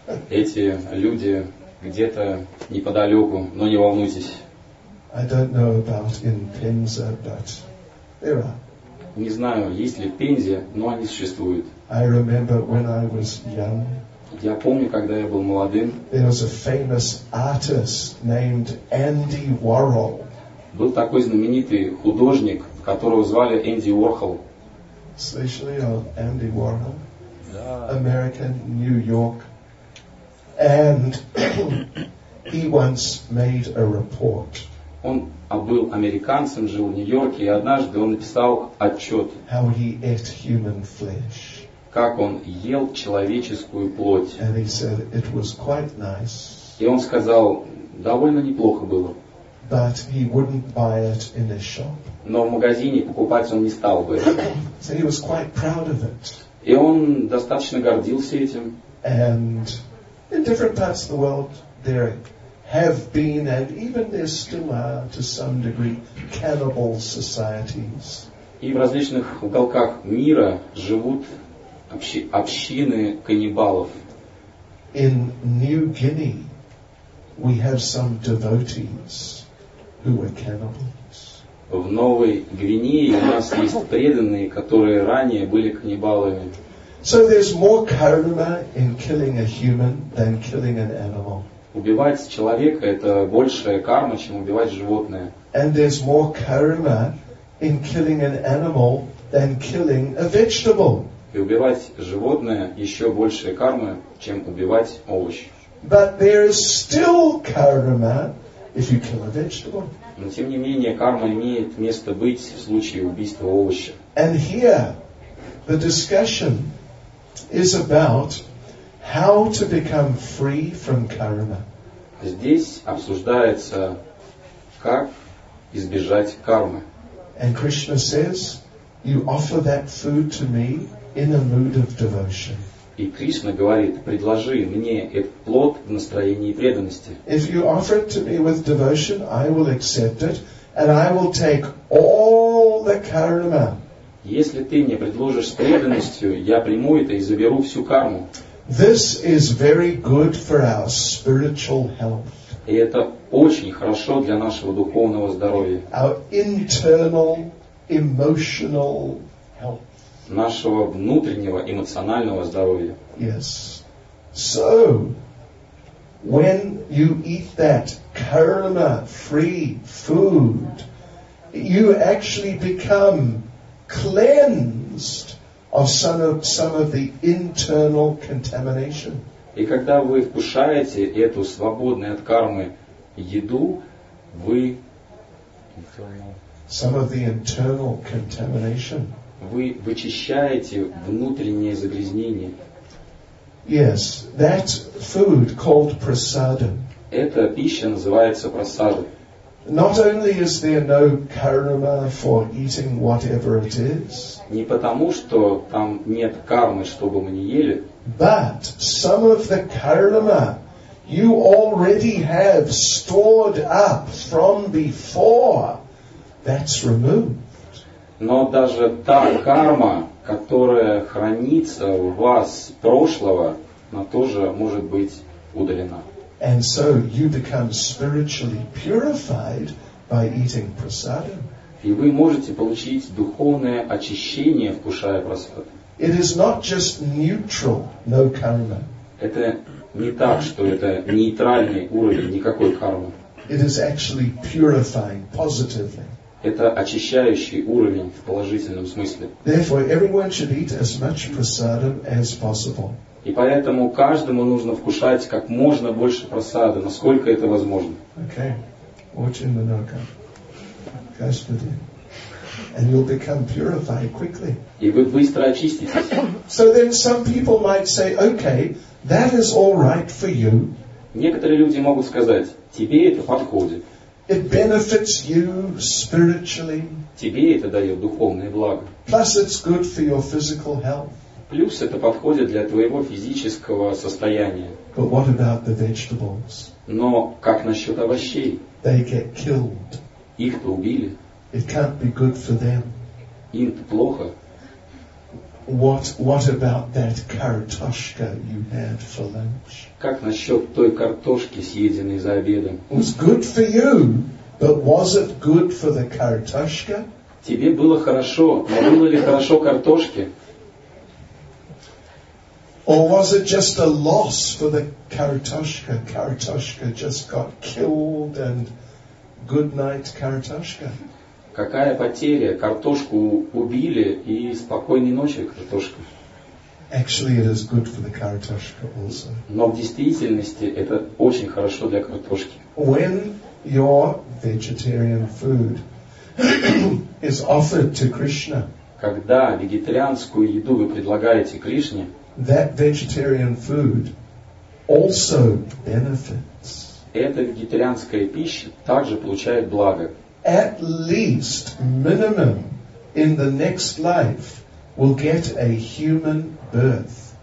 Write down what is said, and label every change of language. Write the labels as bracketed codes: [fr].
[ru] Эти люди где-то неподалеку, но не волнуйтесь. [en] I don't know about in Penza, but there are. [ru] Не знаю, есть ли в Пензе, но они существуют. [en] I remember when I was young. [ru] Я помню, когда я был молодым. [en] There was a famous artist named Andy Warhol. [ru] Был такой знаменитый художник, которого звали Энди Уорхол. [en] especially of Andy Warhol, American, New York. And he once made a report. [ru] Он был американцем, жил в Нью-Йорке, и однажды он написал отчет. [en] How he ate human flesh. [ru] Как он ел человеческую плоть. [en] And he said it was quite nice. [ru] И он сказал, довольно неплохо было. [en] But he wouldn't buy it in a shop. [ru] Но в магазине покупать он не стал бы. [en] So he was quite proud of it. [ru] И он достаточно гордился этим. [en] And in different parts of the world, there have been, and even there still are, to some degree, cannibal societies. [ru] И в различных уголках мира живут общины каннибалов. [en] In New Guinea, we have some devotees who were cannibals. [ru] В Новой Гвинее у нас есть преданные, которые ранее были каннибалами. [en] So there's more karma in killing a human than killing an animal. [ru] Убивать человека это большая карма, чем убивать животное. [en] And there's more karma in killing an animal than killing a vegetable. [ru] И убивать животное еще большая карма, чем убивать овощ. [en] But there is still karma if you kill a vegetable. [ru] Но тем не менее карма имеет место быть в случае убийства овоща. [en] And here the discussion is about how to become free from karma. [ru] Здесь обсуждается, как избежать кармы. [en] And Krishna says, you offer that food to me in a mood of devotion. [ru] И Кришна говорит, предложи мне этот плод в настроении преданности. [en] If you offer it to me with devotion, I will accept it, and I will take all the karma. [ru] Если ты мне предложишь с преданностью, я приму это и заберу всю карму. [en] This is very good for our spiritual health. [ru] И это очень хорошо для нашего духовного здоровья. [en] Our internal emotional health. [ru] Нашего внутреннего эмоционального здоровья. [en] Yes. So, when you eat that karma-free food, you actually become cleansed of some of the internal contamination. [ru] И когда вы вкушаете эту свободную от кармы еду, вы [en] some of the internal contamination. [ru] Вы вычищаете внутреннее загрязнение. [en] Yes, that food called prasada. [ru] Эта пища называется прасада. [en] Not only is there no karma for eating whatever it is, [ru] не потому, что там нет кармы, чтобы мы не ели, [en] but some of the karma you already have stored up from before, that's removed. [ru] Но даже та карма, которая хранится у вас прошлого, она тоже может быть удалена. [en] And so you become spiritually purified by eating prasadam. [ru] И вы можете получить духовное очищение, вкушая прасад. [en] It is not just neutral, no karma. [ru] Это не так, что это нейтральный уровень, никакой кармы. [en] It is actually purifying positively. [ru] Это очищающий уровень в положительном смысле. [en] Therefore, everyone should eat as much prasadam as possible. [ru] И поэтому каждому нужно вкушать как можно больше прасады, насколько это возможно. [en] Okay. [ru] Очень много. Господи. [en] And you'll become purified quickly. [ru] И вы быстро очиститесь. [en] So then some people might say, okay, that is all right for you. [ru] Некоторые люди могут сказать, тебе это подходит. [en] It benefits you spiritually. [ru] Тебе это дает духовное благо. [en] Plus it's good for your physical health. [ru] Плюс это подходит для твоего физического состояния. [en] But what about the vegetables? [ru] Но как насчет овощей? [en] They get killed. [ru] Их-то убили. [en] It can't be good for them. [ru] Им-то плохо. [en] What about that kartoshka you had for lunch? [ru] Как насчет той картошки, съеденной за обедом? [en] It was good for you, but was it good for the kartoshka? [ru] Тебе было хорошо, но было ли хорошо картошке? [en] Or was it just a loss for the kartoshka? Kartoshka just got killed and good night, kartoshka. [ru] Какая потеря, картошку убили и спокойной ночи, картошка. [en] Actually, it is good for the kartoshka also. [ru] Но в действительности это очень хорошо для картошки. [en] When your vegetarian food is offered to Krishna, [ru] когда вегетарианскую еду вы предлагаете Кришне, [en] that vegetarian food also benefits. [ru] Эта вегетарианская пища также получает благо. [en] At least, minimum, in the next life, will get a human birth.